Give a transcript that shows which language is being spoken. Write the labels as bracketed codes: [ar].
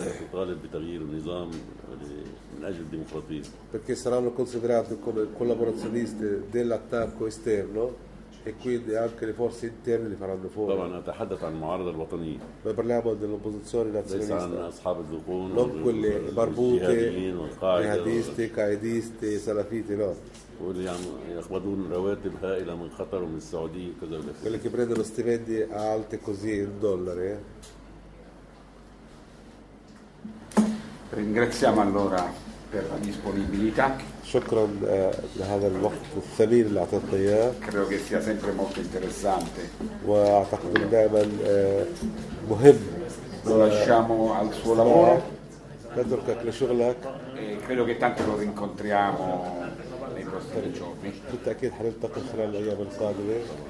[ar] تطالب بتغيير النظام من أجل الديمقراطية. [it] perché saranno considerate come collaborazioniste dell'attacco esterno e quindi anche le forze interne li faranno fuori. [ar] طبعا نتحدث عن المعارضة الوطنية. [it] ما parliamo dell'opposizione nazionalista. [ar] ليس عن أصحاب الزقون. [it] non quelle barbute, jihadisti, qaidisti, salafiti, no. [ar] واللي يقبضون رواتب هائلة من قطر ومن السعودية وكذا. [it] quelle che prendono stipendi alte così in dollari. ringraziamo allora per la disponibilità. [ar] شكرا لهذا الوقت الثمين اللي اعطيته اياه. [it] credo che sia sempre molto interessante. [ar] واعتقد دائما مهم. [it] lo lasciamo al suo lavoro. [ar] نتركك لشغلك. [it] credo che tanto lo rincontriamo nei prossimi giorni. [ar] بالتأكيد حنلتقي خلال الايام القادمه.